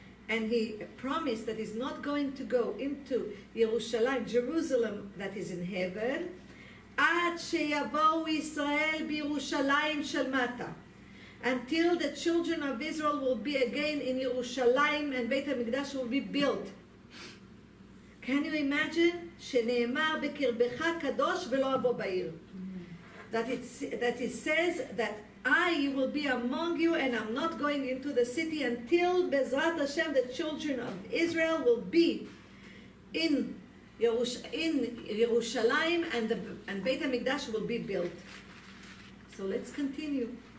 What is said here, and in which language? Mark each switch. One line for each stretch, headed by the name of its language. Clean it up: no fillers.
English: And he promised that he's not going to go into Yerushalayim, Jerusalem, that is in heaven,
Hebrew: עד שיבואו ישראל בירושלים של מטה.
English: Until the children of Israel will be again in Yerushalayim and Beit HaMikdash will be built. Can you imagine?
Hebrew: שנאמר בקרבך קדוש ולא אבוא בעיר.
English: That it says that I will be among you and I'm not going into the city until
Hebrew: בעזרת השם
English: the children of Israel will be in Yerushalayim and Beit HaMikdash will be built. So let's continue.